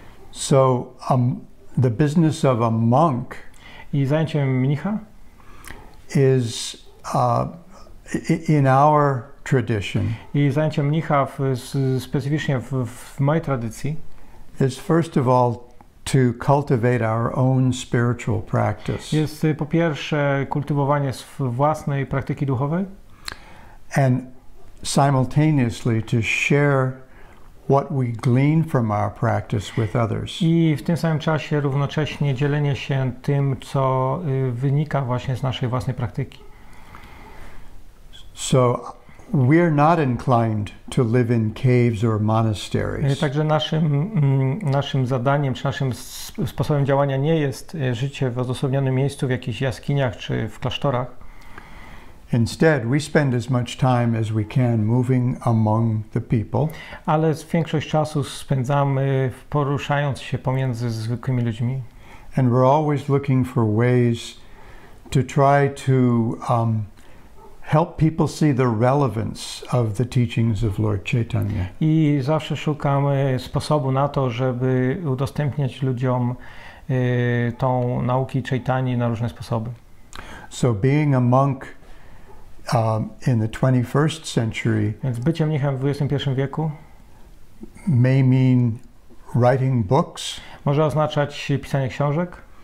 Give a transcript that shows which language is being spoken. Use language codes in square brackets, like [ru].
[en] So the business of a monk. [pl] I zajęciem mnicha [en] is in our tradition. [pl] I zajęcie mnicha specyficznie w mojej tradycji [en] is first of all to cultivate our own spiritual practice. [pl] Jest po pierwsze kultywowanie własnej praktyki duchowej. [en] And simultaneously to share what we glean from our practice with others. [pl] I w tym samym czasie równocześnie dzielenie się tym, co wynika właśnie z naszej własnej praktyki. [en] So we're not inclined to live in caves or monasteries. [pl] Także naszym zadaniem, czy naszym sposobem działania nie jest życie w odosobnionym miejscu, w jakichś jaskiniach czy w klasztorach. [en] Instead, we spend as much time as we can moving among the people. [pl] Ale większość czasu spędzamy poruszając się pomiędzy zwykłymi ludźmi. [en] And we're always looking for ways to try to help people see the relevance of the teachings of Lord Chaitanya. [pl] I zawsze szukamy sposobu na to, żeby udostępniać ludziom tą naukę Chaitanyi na różne sposoby. [en] So being a monk in the 21st century. [pl] Więc bycie mnichem w XXI wieku [en] may mean writing books. [pl] Może oznaczać pisanie książek.